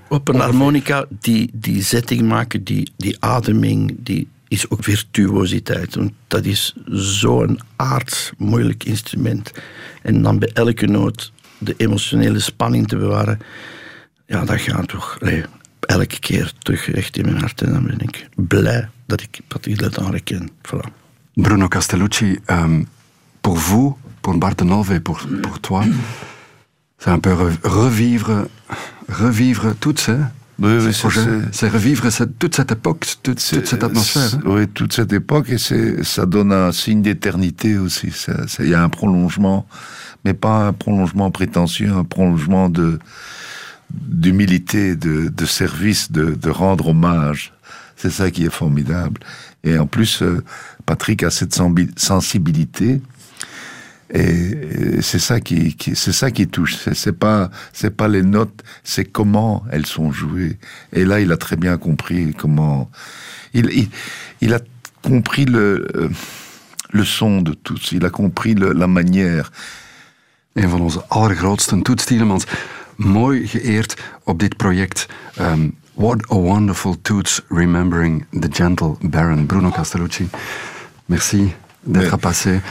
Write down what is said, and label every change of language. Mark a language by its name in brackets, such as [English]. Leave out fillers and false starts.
[Dutch] Op een harmonica, die zetting maken, die ademing, die is ook virtuositeit. Want dat is zo'n aards moeilijk instrument. En dan bij elke noot de emotionele spanning te bewaren, ja, dat gaat toch elke keer terug recht in mijn hart. En dan ben ik blij dat ik Patrick Deltard ken. [French] Voilà. Bruno Castellucci, pour vous, pour Bart de Nolve, pour toi, c'est un peu revivre tout ça. Oui, c'est revivre toute cette époque, toute cette atmosphère. Oui, toute cette époque, et ça donne un signe d'éternité aussi. Il y a un prolongement, mais pas un prolongement prétentieux, un prolongement d'humilité, de service, de rendre hommage. C'est ça qui est formidable. Et en plus, Patrick a cette sensibilité, et c'est ça qui touche. C'est pas les notes, c'est comment elles sont jouées. Et là, il a très bien compris comment il a compris le son de Toets. Il a compris la manière. [Dutch] Een van onze allergrootste Toets Tielemans, mooi geëerd op dit project. [English] What a wonderful Toets, remembering the gentle Baron. [French] Bruno Castellucci, merci d'être passé.